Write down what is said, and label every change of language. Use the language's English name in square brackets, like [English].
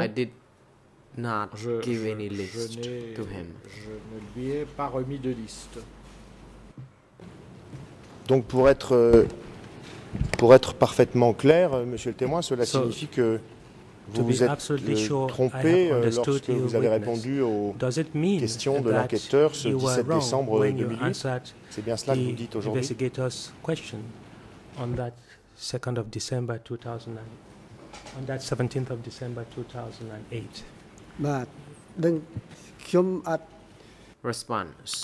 [English] I did not give any list to him. [French] Je ne lui ai pas remis de liste. Donc pour être parfaitement clair, monsieur le témoin, cela signifie que vous vous êtes trompé lorsque vous avez répondu aux questions de l'enquêteur ce 17 décembre 2008. C'est bien cela que vous dites aujourd'hui. [English] 2nd of December 2009, on that 17th of December 2008.